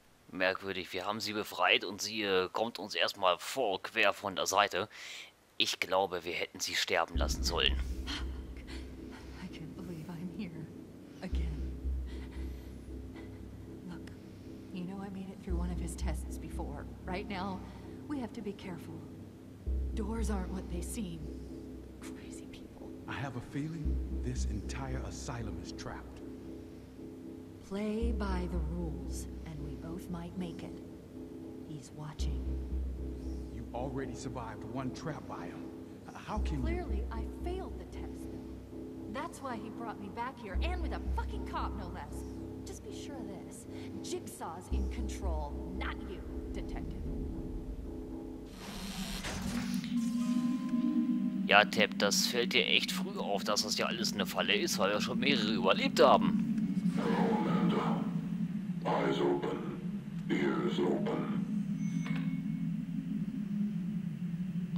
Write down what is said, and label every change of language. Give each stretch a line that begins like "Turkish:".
German: Merkwürdig, wir haben sie befreit und sie kommt uns erstmal vor, quer von der Seite. Ich glaube, wir hätten sie sterben lassen sollen.
English: I can't believe I'm here again. Look, you know I made it through one of his tests before. Right now, we have to be careful. Doors aren't what they seem. Crazy people. I have a feeling this entire asylum is trapped. Play by the rules. Both might make it. He's watching. You already survived one trap by him. How can Clearly, you... I failed the test. That's why he brought me back here, and with a fucking cop, no less. Just be sure of this. Jigsaw's in control, not you, detective.
German: Ja, Tab, das fällt dir echt früh auf, dass das ja alles eine Falle ist, weil wir schon mehrere überlebt haben.
English: Hello, Amanda. Eyes open. Ears open.